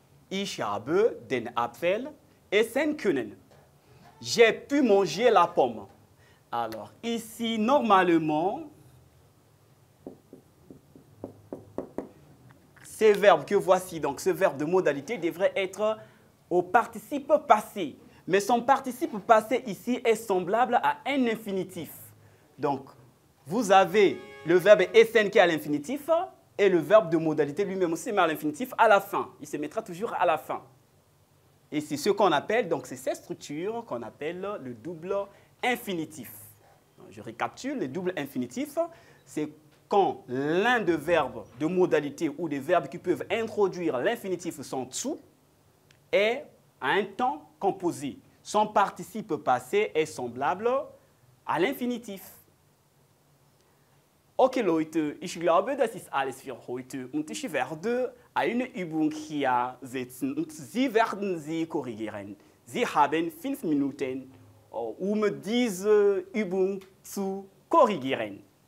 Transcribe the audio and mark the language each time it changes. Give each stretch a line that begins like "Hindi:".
German: Ich habe den Apfel essen können.
French: J'ai pu manger la pomme. Alors, ici, normalement, ces verbes que voici, donc ce verbe de modalité, devrait être au participe passé. Mais son participe passé ici est semblable à un infinitif. Donc, vous avez le verbe essen qui est à l'infinitif. Et le verbe de modalité lui-même aussi se met à l'infinitif à la fin. Il se mettra toujours à la fin. Et c'est ce qu'on appelle, donc c'est cette structure qu'on appelle le double infinitif. Je récapitule, le double infinitif, c'est quand l'un des verbes de modalité ou des verbes qui peuvent introduire l'infinitif sans tsu est à un temps composé. Son participe passé est semblable à l'infinitif.
German: Okay Leute, ich glaube, das ist alles für heute und ich werde eine Übung hier setzen und Sie werden sie korrigieren. Sie haben 5 Minuten, um diese Übung zu korrigieren.